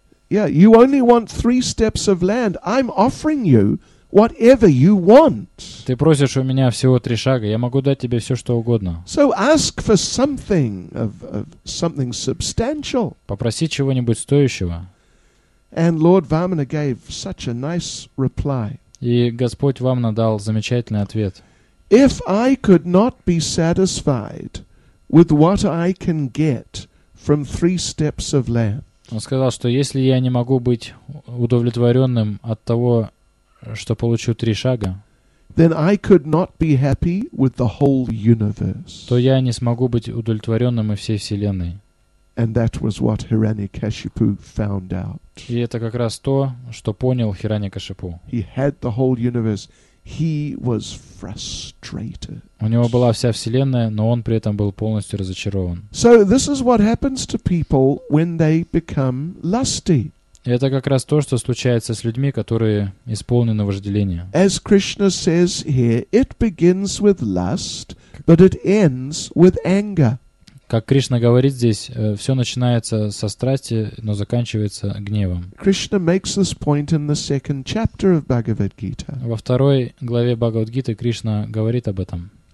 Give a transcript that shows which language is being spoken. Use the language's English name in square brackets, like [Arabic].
[English] Yeah, you only want 3 steps of land. I'm offering you whatever you want. [Russian] Ты просишь у меня всего 3 шага. Я могу дать тебе все, что угодно. [English] So ask for something of something substantial. [Russian] Попроси чего-нибудь стоящего. [English] And Lord Vamana gave such a nice reply. [Russian] И Господь Вамана дал замечательный ответ. [English] If I could not be satisfied with what I can get from 3 steps of land. [Russian] Он сказал, что если я не могу быть удовлетворенным от того, что получу 3 шага, [English] then I could not be happy with the whole universe. [Russian] То я не смогу быть удовлетворенным и всей Вселенной. [English] And that was what Hiranyakashipu found out. [Russian] И это как раз то, что понял Хираньякашипу. [English] He had the whole universe. He was frustrated. [Russian] У него была вся вселенная, но он при этом был полностью разочарован. [English] So this is what happens to people when they become lusty. [Russian] Это как раз то, что случается с людьми, которые исполнены вожделения. [English] As Krishna says here, it begins with lust, but it ends with anger. [Russian] Как Кришна говорит здесь, все начинается со страсти, но заканчивается гневом. [English] Krishna makes this point in the second chapter of Bhagavad Gita. [Russian] Во второй главе Бхагавад-гиты Кришна говорит об этом.